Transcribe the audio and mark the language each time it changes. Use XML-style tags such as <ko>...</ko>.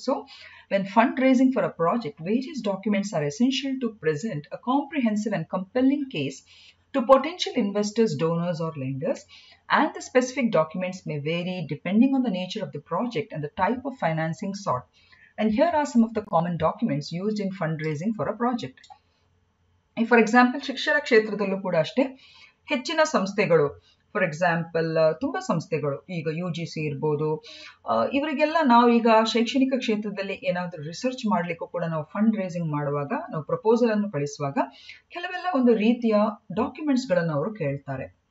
<en>So when fund raising for a project, various documents are essential to present a comprehensive and compelling case to potential investors, donors or lenders. And the specific documents may vary depending on the nature of the project and the type of financing sought. And here are some of the common documents used in fundraising for a project. If, for example,</en> <kn>ಶಿಕ್ಷಣ ಕ್ಷೇತ್ರದಲ್ಲೂ ಕೂಡ ಅಷ್ಟೇ, ಹೆಚ್ಚಿನ ಸಂಸ್ಥೆಗಳು, for example ತುಂಬ ಸಂಸ್ಥೆಗಳು, ಈಗ U G C ಇರ್ಬೋದು, ಇವರಿಗೆಲ್ಲ ನಾವು ಈಗ ಶೈಕ್ಷಣಿಕ ಕ್ಷೇತ್ರದಲ್ಲಿ ಏನಾದರೂ ರಿಸರ್ಚ್ ಮಾಡಲಿಕ್ಕೂ ಕೂಡ ನಾವು ಫಂಡ್ ರೇಸಿಂಗ್ ಮಾಡುವಾಗ, ನಾವು ಪ್ರಪೋಸಲ್ ಅನ್ನು ಕಳಿಸುವಾಗ ಕೆಲವೆಲ್ಲ ಒಂದು ರೀತಿಯ ಡಾಕ್ಯುಮೆಂಟ್ಸ್ಗಳನ್ನು ಅವರು ಕೇಳ್ತಾರೆ.</kn>